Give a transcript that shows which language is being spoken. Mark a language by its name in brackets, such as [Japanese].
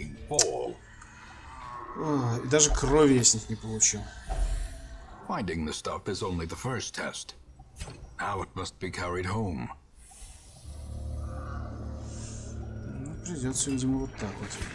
[Russian] О, и даже крови я с них не получил. [English] Finding the stuff is only the first test. Now it must be carried home. [Russian] Ну, придется, видимо, вот так вот.